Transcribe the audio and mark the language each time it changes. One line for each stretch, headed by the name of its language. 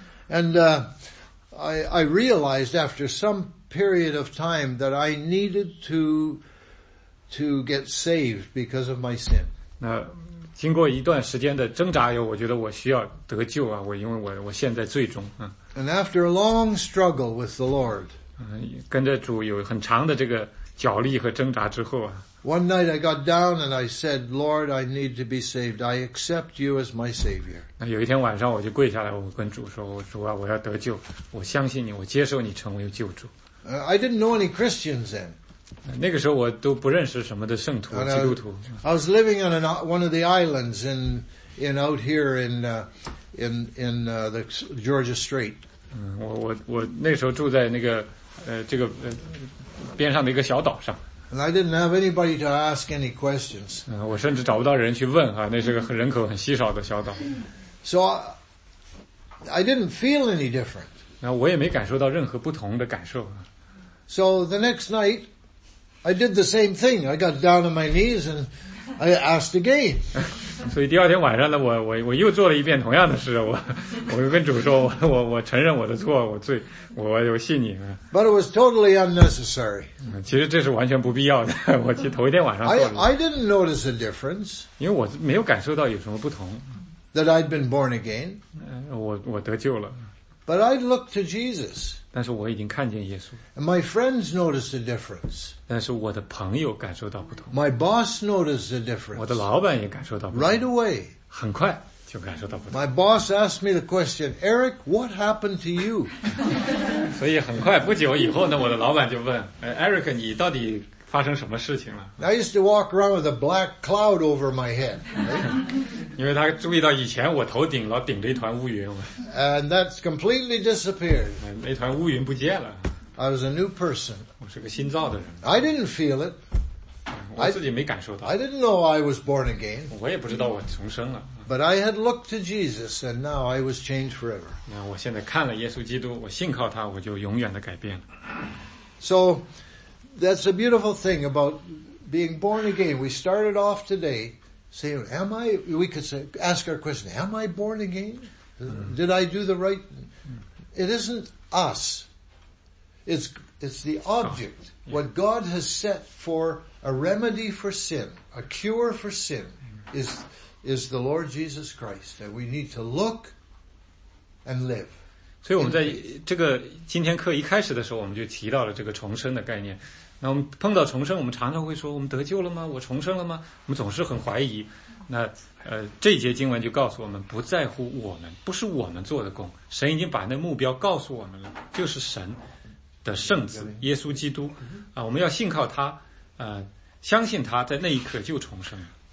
English: And, I realized after some period of time that I needed to get saved because of my sin.
Chinese: 那经过一段时间的挣扎后我觉得我需要得救啊我因为我陷在罪中。
English: And after a long struggle with the Lord,
Chinese: 跟着主有很长的这个角力和挣扎之后啊
English: One night I got down and I said, Lord, I need to be saved. I accept you as my Savior.
Chinese: 那有一天晚上我就跪下来我跟主说我主啊我要得救我相信你我接受你成为救主。
English: I didn't know any Christians then.
Chinese: 那个时候我都不认识什么的圣徒基督徒。
English: I was living on one of the islands in out here in the Georgia Strait.
Chinese: 我那时候住在那个这个边上的一个小岛上。
English: And I didn't have anybody to ask any questions.
Chinese: 我甚至找不到人去问啊那是个人口很稀少的小岛。
English: So I didn't feel any different.
Chinese: 那我也没感受到任何不同的感受。
English: So the next night,I did the same thing. I got down on my knees and I asked again.
Chinese: 所以第二天晚上呢我又做了一遍同样的事我又跟主说我承认我的错我罪我信你。
English: But it was totally unnecessary.
Chinese: 其实这是完全不必要的我其实头一天晚上做了。
English: I didn't notice a difference.
Chinese: 因为我没有感受到有什么不同。
English: That I'd been born again.
Chinese: 我得救了。
English: But I looked to Jesus.
Chinese: 但是我已经看见耶稣。
English: My friends noticed a difference.
Chinese: 但是我的朋友感受到不同。
English: My boss noticed a difference.
Chinese: 我的老板也感受到不同。
English: Right away.
Chinese: 很快就感受到不同。
English: My boss asked me the question, Eric, what happened to you?
Chinese: 所以很快不久以后呢我的老板就问 Eric, 你到底发生什么事情了
English: I used to walk around with a black cloud over my head.
Chinese: 因为他注意到以前我头顶老顶着一团乌云。
English: And that's completely disappeared.
Chinese: 那团乌云不见了。
English: I was a new person.
Chinese: 我是个新造的人。
English: I didn't feel it.
Chinese: 我自己没感受到。
English: I didn't know I was born again.
Chinese: 我也不知道我重生了。
English: But I had looked to Jesus and now I was changed forever.
Chinese: 那我现在看了耶稣基督我信靠他我就永远的改变了。
English: So, that's a beautiful thing about being born again. We started off today saying, am I, we could say, ask our question, am I born again? Did I do the right? It isn't us. It's the object. What God has set for a remedy for sin, a cure for sin, is the Lord Jesus Christ. And we need to look and live.
Chinese: 所以我们在这个今天课一开始的时候我们就提到了这个重生的概念。那我们碰到重生我们常常会说我们得救了吗我重生了吗我们总是很怀疑那这节经文就告诉我们不在乎我们不是我们做的功神已经把那目标告诉我们了就是神的圣子耶稣基督啊，我们要信靠他相信他在那一刻就重生了